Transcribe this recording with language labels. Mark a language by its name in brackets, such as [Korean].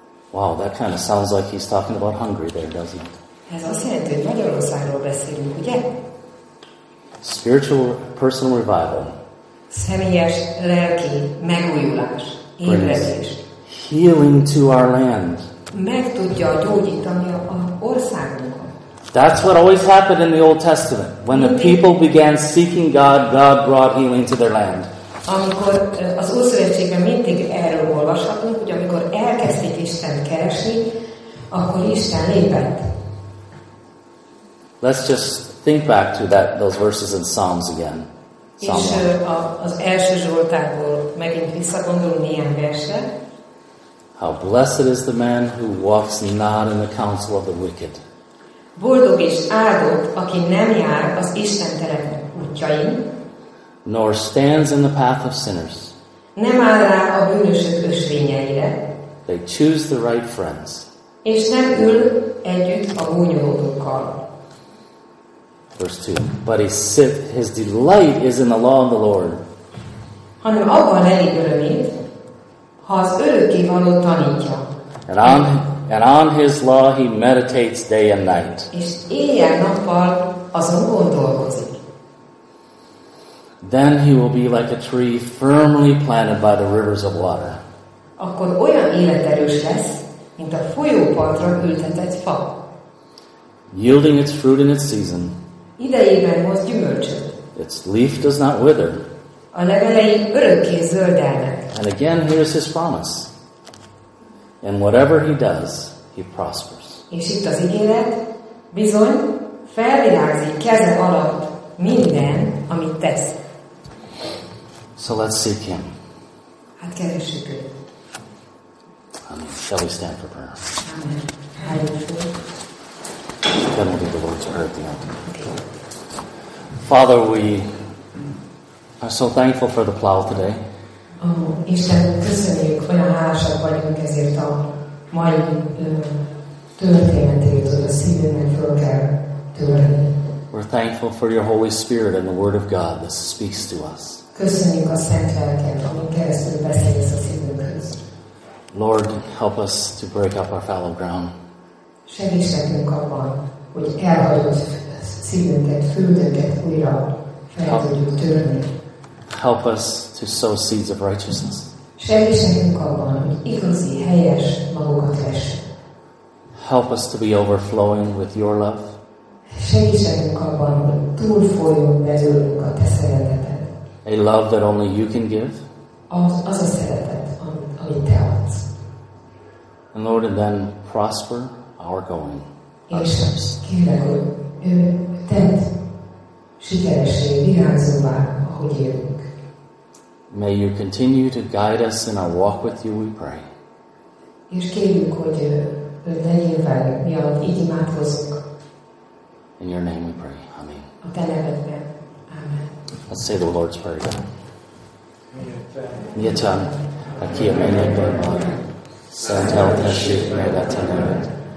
[English] Wow, that kind of sounds like he's talking about Hungary there, doesn't it? [Hungarian] Ez azt jelenti, hogy Magyarországról beszélünk, ugye? [English] Spiritual personal revival. [Hungarian] Személyes lelki megújulás, ébredés. [English] Healing to our land. [Hungarian] Meg tudja gyógyítani az országunkat. [English] That's what always happened in the Old Testament. When the people began seeking God, God brought healing to their land. [Hungarian] Amikor az Ószövetségben mindig erről olvashatunk, hogy amikor elkezdték Isten keresni, akkor Isten lépett. [English] Let's just think back to that those verses in Psalms again. Psalm 1. [Hungarian] Az első Zsoltárból megint visszagondolunk néhány versre. [English] How blessed is the man who walks not in the counsel of the wicked. [Hungarian] Boldog és áldott, aki nem jár az istentelen útjain. [English] Nor stands in the path of sinners. [Hungarian] Nem áll rá a bűnösök ösvényeire. [English] They choose the right friends. [Hungarian] És nem ül együtt a gúnyolódókkal. [English] Verse 2. But he sit, his delight is in the law of the Lord. [Hungarian] Hanem abban elég örömét, ha az örökké való tanítja. [English] And on his law he meditates day and night. [Hungarian] És éjjel-nappal azon gondolkozik. [English] Then he will be like a tree firmly planted by the rivers of water. [Hungarian] Akkor olyan életerős lesz, mint a folyópartra ültetett fa. [English] Yielding its fruit in its season. [Hungarian] Idejében hoz gyümölcsöt. [English] Its leaf does not wither. [Hungarian] A levelei örökké zöldelnek. [English] And again, here's his promise. And whatever he does, he prospers. [Hungarian] És itt az ígéret, bizony, felvirágzik keze alatt minden, amit tesz. [English] So let's seek him. [Hungarian] Hát keressük őt. [English] Amen. Shall we stand for prayer? Amen. Then we'll do the Lord's prayer at the end. Father, we are so thankful for the plow today. [Hungarian] Oh, Isten, köszönjük, olyan hálásak vagyunk ezért a mai történetért, hogy a szívünknek föl kell törni. [English] We're thankful for your Holy Spirit and the Word of God that speaks to us. [Hungarian] Köszönjük a Szent Lelket, amin keresztül beszélsz a szívünkhöz. [English] Lord, help us to break up our fallow ground. [Hungarian] Segíts nekünk abban, hogy elhagyott szívünket, földünket újra fel tudjuk törni. [English] Help us to sow seeds of righteousness. [Hungarian] Segítsünk abban, hogy igazi, helyes magunkat vessünk. [English] Help us to be overflowing with your love. [Hungarian] Segítsünk abban, hogy túlfolyjon belőlünk a te szereteted. [English] A love that only you can give. [Hungarian] Az a szeretet, amit te adsz. [English] And Lord, and then prosper our going. [Hungarian] És kérlek, hogy tedd sikeressé, virágzóvá, ahogy jövünk. [English] May you continue to guide us in our walk with you, we pray. [Hungarian] És kérjük, hogy legyél velünk, mi alatt így imádkozunk. [English] In your name we pray. Amen. [Hungarian] A te nevedben. Amen. [English] Let's say the Lord's Prayer again. [Hungarian] Mi atyán, aki a mennyekben van, szenteltessék meg a te neved.